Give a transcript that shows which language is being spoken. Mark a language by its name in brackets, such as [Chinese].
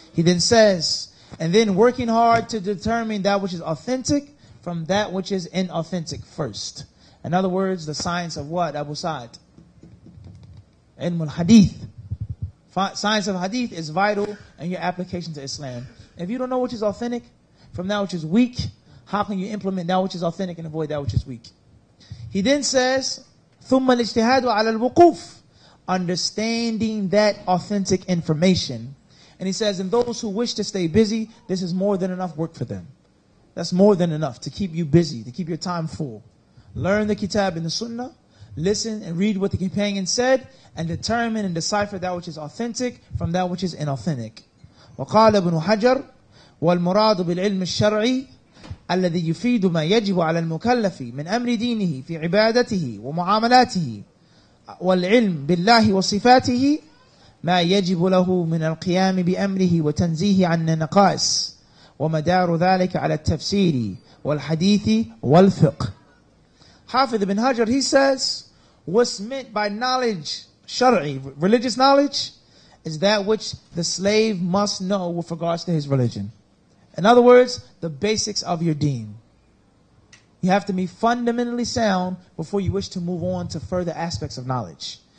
[English] He then says, and then working hard to determine that which is authentic from that which is inauthentic first. In other words, the science of what, Abu Sa'd? Ilm al-Hadith. Science of Hadith is vital in your application to Islam. If you don't know which is authentic from that which is weak, how can you implement that which is authentic and avoid that which is weak? He then says, [Arabic] ثُمَّ الْإِجْتِهَادُ عَلَى الْوُقُوفِ. [English] Understanding that authentic information. And he says, and those who wish to stay busy, this is more than enough work for them. That's more than enough to keep you busy, to keep your time full. Learn the kitab and the sunnah, listen and read what the companion said, and determine and decipher that which is authentic from that which is inauthentic. [Arabic] وَقَالَ ابْنُ حَجَرٍ وَالْمُرَادُ بِالْعِلْمِ الشَّرْعِي الَّذِي يُفِيدُ مَا يَجِبُ عَلَى الْمُكَلَّفِ مِنْ أَمْرِ دِينِهِ فِي عِبَادَتِهِ وَمُعَامَلَاتِهِ وَالْعِلْمِ بِاللَّهِ وَصِفَاتِهِ ما يجب له من القيام بأمره وتنزيه عن النقائص ومدار ذلك على التفسير والحديث والفقه. [English] Hafidh ibn Hajar, he says, what's meant by knowledge, shar'i, religious knowledge, is that which the slave must know with regards to his religion. In other words, the basics of your deen. You have to be fundamentally sound before you wish to move on to further aspects of knowledge.